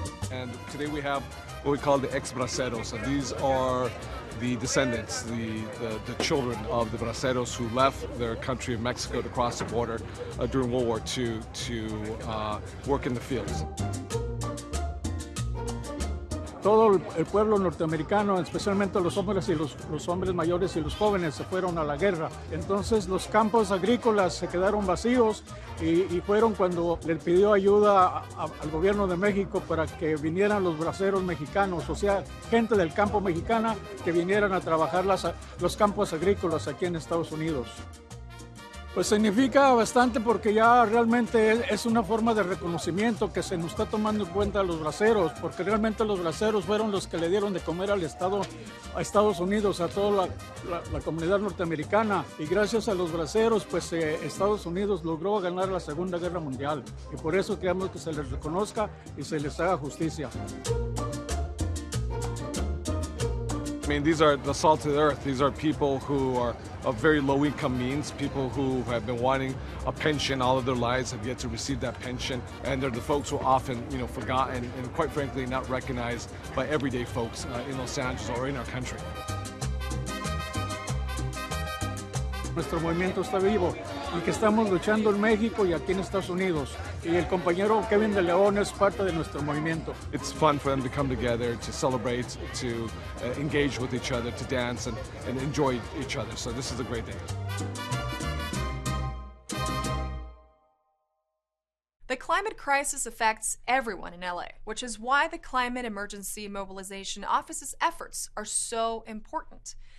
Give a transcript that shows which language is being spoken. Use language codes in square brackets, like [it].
[en] And today we have what we call the ex-braceros. And these are the descendants, the children of the braceros who left their country of Mexico to cross the border during World War II to work in the fields. [es] Todo el pueblo norteamericano, especialmente los hombres y los hombres mayores y los jóvenes, se fueron a la guerra. Entonces los campos agrícolas se quedaron vacíos y fueron cuando le pidió ayuda al gobierno de México para que vinieran los braceros mexicanos, o sea, gente del campo mexicana que vinieran a trabajar los campos agrícolas aquí en Estados Unidos. Pues significa bastante porque ya realmente es una forma de reconocimiento que se nos está tomando en cuenta a los braceros, porque realmente los braceros fueron los que le dieron de comer al Estado, a Estados Unidos, a toda la comunidad norteamericana. Y gracias a los braceros, pues Estados Unidos logró ganar la Segunda Guerra Mundial. Y por eso queremos que se les reconozca y se les haga justicia. [en] I mean, these are the salt of the earth. These are people who are of very low income means, people who have been wanting a pension all of their lives, have yet to receive that pension. And they're the folks who are often, you know, forgotten and quite frankly, not recognized by everyday folks in Los Angeles or in our country. [es] Nuestro movimiento está vivo. y que estamos luchando en México y aquí en Estados Unidos. Y el compañero Kevin de León es parte de nuestro movimiento. [en] It's fun for them to come together, to celebrate, to engage with each other, to dance and enjoy each other. So this is a great day. The climate crisis affects everyone in LA, which is why the Climate Emergency Mobilization Office's efforts are so important.